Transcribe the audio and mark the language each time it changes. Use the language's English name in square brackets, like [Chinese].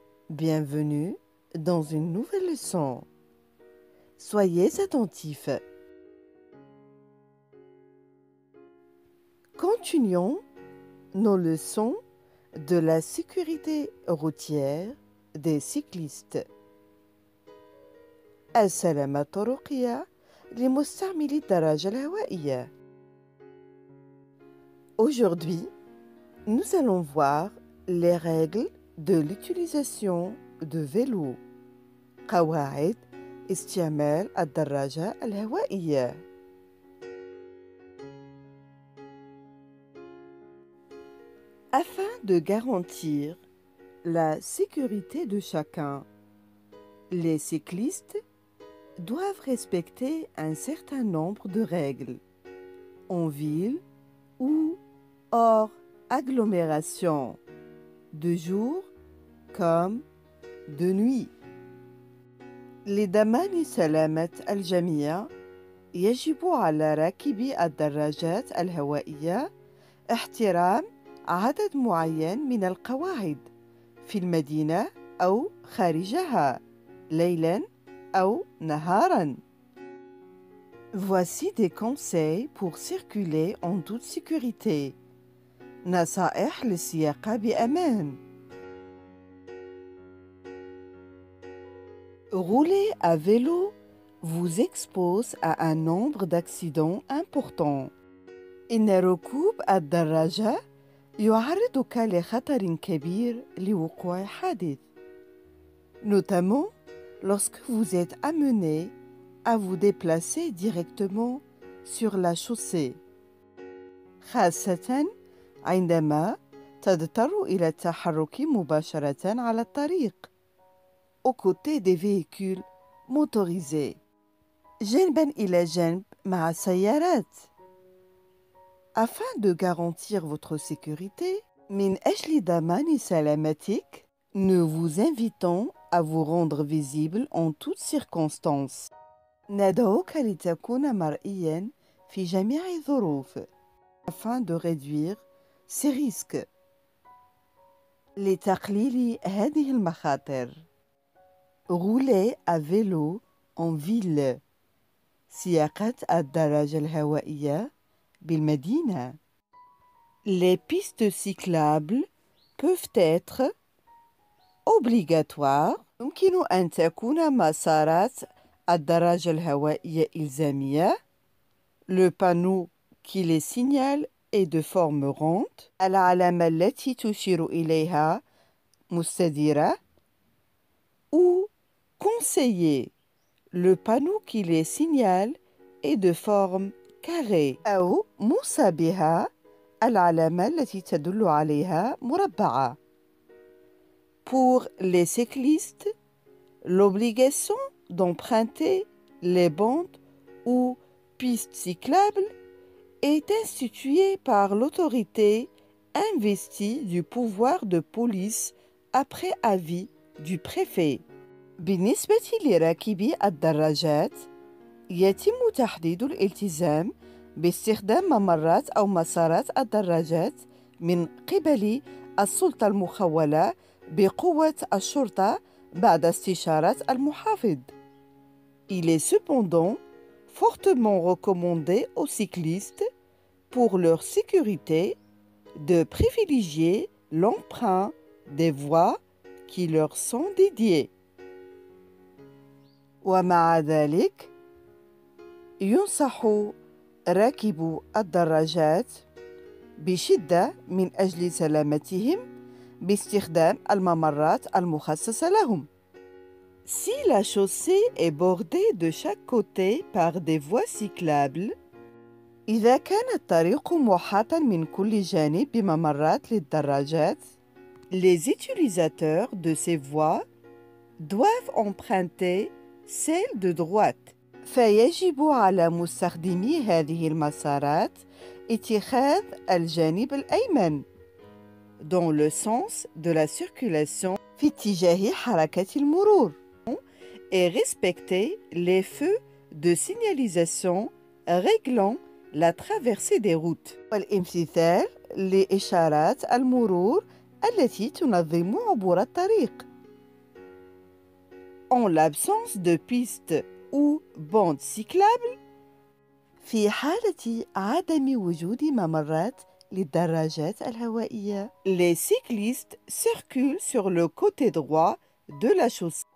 [French] Bienvenue dans une nouvelle leçon. Soyez attentifs. Continuons nos leçons de la sécurité routière des cyclistes. [Arabic] السلامة الطرقية لمستعملي الدراجة الهوائية. [French] Aujourd'hui, nous allons voir les règles de l'utilisation de vélo. [Arabic] قواعد استعمال الدراجة الهوائية. [French] Afin de garantir la sécurité de chacun, les cyclistes doivent respecter un certain nombre de règles en ville ou hors agglomération, de jour comme de nuit. Les daman salamat al jamia [Arabic] يجب على راكبي الدراجات الهوائية احترام عدد معين من القواعد في المدينة أو خارجها ليلا أو نهارا. [French] Voici des conseils pour circuler en toute sécurité. [Arabic] نصائح للسياقة بأمان. [French] Rouler à vélo vous expose à un nombre d'accidents importants. [Arabic] إن ركوب الدراجة يعرضك لخطر كبير لوقوع حادث. [French] Notamment lorsque vous êtes amené à vous déplacer directement sur la chaussée. [Arabic] خاصة عندما تضطر إلى التحرك مباشرة على الطريق. [French] Aux côtés des véhicules motorisés. [Arabic] جنبا إلى جنب مع السيارات. [French] Afin de garantir votre sécurité, [Arabic] من أجل ضمان سلامتك, [French] nous vous invitons à vous rendre visible en toutes circonstances. [Arabic] ندعوك لتكون مرئيا في جميع الظروف, [French] afin de réduire ces risques. [Arabic] لتقليل هذه المخاطر. [French] Rouler à vélo en ville. [Arabic] سياقة الدراجة الهوائية بالمدينة. [French] Les pistes cyclables peuvent être obligatoires. [Arabic] يمكن أن تكون مسارات الدراجة الهوائية إلزامية. [French] Le panneau qui les signale est de forme ronde. [Arabic] العلامة التي تشير إليها مستديرة. [French] Ou conseillé. Le panneau qui les signale est de forme carré. [Arabic] أو مصابها العلامة التي تدل عليها مربعة. [French] Pour les cyclistes, l'obligation d'emprunter les bandes ou pistes cyclables est instituée par l'autorité investie du pouvoir de police après avis du préfet. [Arabic] بالنسبة لراكبي الدراجات يتم تحديد الالتزام باستخدام ممرات أو مسارات الدراجات من قبل السلطة المخولة بقوة الشرطة بعد استشارة المحافظ. [French] Il est cependant fortement recommandé aux cyclistes, pour leur sécurité, de privilégier l'emprunt des voies qui leur sont dédiées. [Arabic] ومع ذلك ينصح راكبو الدراجات بشدة من أجل سلامتهم باستخدام الممرات المخصصة لهم. [French] Si la chaussée est bordée de chaque côté par des voies cyclables, [Arabic] إذا كان الطريق محاطا من كل جانب بممرات للدراجات, [French] les utilisateurs de ces voies doivent emprunter celle de droite. [Arabic] فيجب على مستخدمي هذه المسارات اتخاذ الجانب الأيمن. [French] Dans le sens de la circulation, [Arabic] في اتجاه حركة المرور, [French] et respecter les feux de signalisation réglant la traversée des routes. [Arabic] والامتثال لإشارات المرور التي تنظم عبور الطريق. [French] En l'absence de pistes ou bandes cyclables, [Arabic] في حالة عدم وجود ممرات للدراجات الهوائية, [French] les cyclistes circulent sur le côté droit de la chaussée.